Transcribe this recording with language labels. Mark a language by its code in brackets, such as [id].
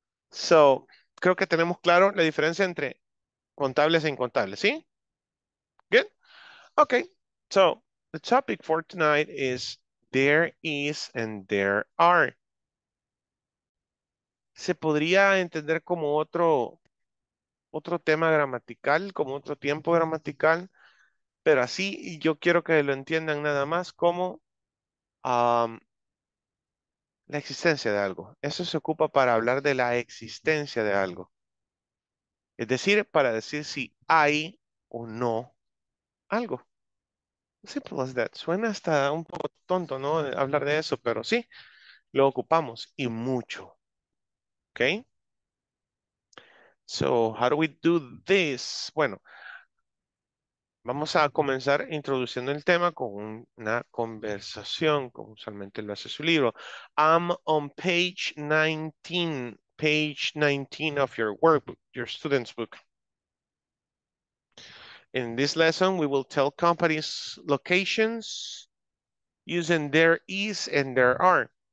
[es] So, creo que tenemos claro la diferencia entre contables e incontables, ¿sí? [en] Good? Okay. So, the topic for tonight is there is and there are. [es] ¿Se podría entender como otro tema gramatical, como otro tiempo gramatical? Pero así, yo quiero que lo entiendan nada más como la existencia de algo. Eso se ocupa para hablar de la existencia de algo. Es decir, para decir si hay o no algo. [en] Simple as that. [es] Suena hasta un poco tonto, ¿no? Hablar de eso, pero sí, lo ocupamos y mucho. Okay. So, [en] how do we do this? [es] Bueno, vamos a comenzar introduciendo el tema con una conversación, como usualmente lo hace su libro. [en] I'm on page 19, page 19 of your workbook, your student's book. In this lesson, we will tell companies locations using there is and there are.